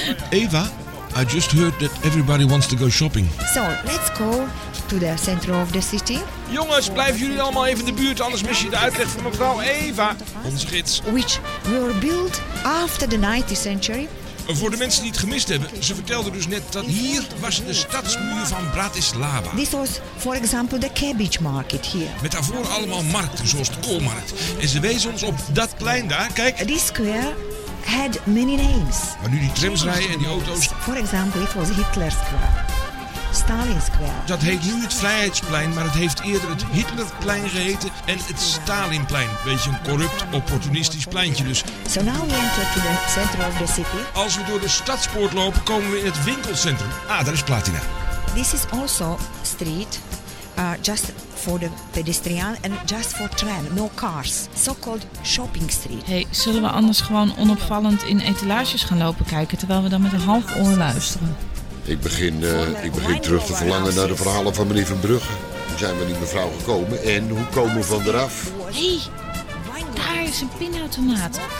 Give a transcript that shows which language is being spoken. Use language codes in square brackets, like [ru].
[en] Eva, I just heard that everybody wants to go shopping. So, let's go to the center of the city. [nl] Jongens, blijven jullie allemaal even in de buurt, anders mis je de uitleg van mevrouw Eva, onze gids. [en] Which were built after the 19th century. [nl] Voor de mensen die het gemist hebben, ze vertelden dus net dat hier was de stadsmuur van Bratislava. [en] This was, for example, the cabbage market here. [nl] Met daarvoor allemaal markten, zoals de koolmarkt. En ze wezen ons op dat plein daar, kijk. [en] This square had many names. [nl] Maar nu die trams rijden en die auto's. [en] For example, it was Hitler Square. Stalin Square. [nl] Dat heet nu het Vrijheidsplein, maar het heeft eerder het Hitlerplein geheten en het Stalinplein. Beetje een corrupt, opportunistisch pleintje dus. [en] So now we enter to the center of the city. [nl] Als we door de stadspoort lopen, komen we in het winkelcentrum. Ah, daar is Platina. [en] This is also street, just for the pedestrian and just for tram, no cars. So-called shopping street. [nl] Hey, zullen we anders gewoon onopvallend in etalages gaan lopen kijken, terwijl we dan met een half oor luisteren? Ik begin terug te verlangen naar de verhalen van meneer Verbrugge. Hoe zijn we die mevrouw gekomen en hoe komen we van eraf? Hé, hey, daar is een pinautomaat.